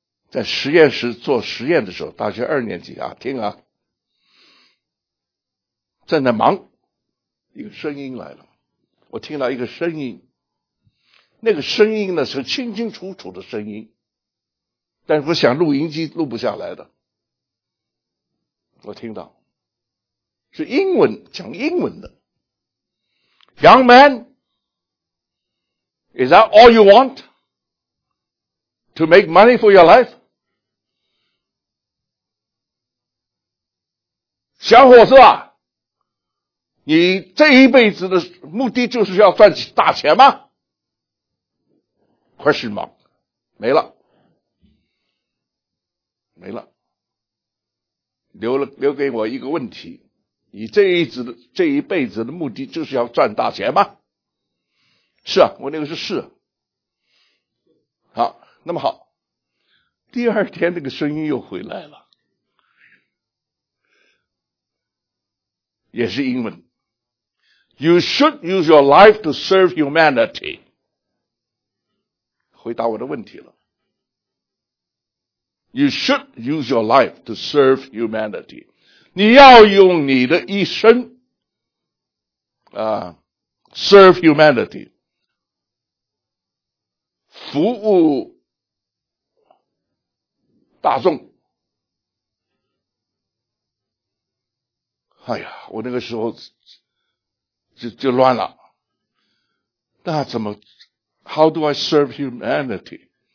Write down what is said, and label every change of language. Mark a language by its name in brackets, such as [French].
[Chinese] 在实验室做实验的时候，大学二年级啊，听啊，正在忙，一个声音来了，我听到一个声音，那个声音呢是清清楚楚的声音，但是我想录音机录不下来的，我听到是英文，讲英文的。 [English] Young man, is that all you want? To make money for your life? [Chinese] 小伙子啊，你这一辈子的目的就是要赚大钱吗？ [English] Question mark. [Chinese] 没了。没了。留给我一个问题。你这一辈子的目的就是要赚大钱吗？是啊，我那个是。好，那么好，第二天那个声音又回来了，也是英文。 [English] You should use your life to serve humanity. [Chinese] 回答我的问题了。 [English] You should use your life to serve humanity. [Chinese] 你要用你的一生啊 [English] serve humanity, [Chinese] 服务大众。哎呀，我那个时候就乱了。那怎么 [English] ,how do I serve humanity?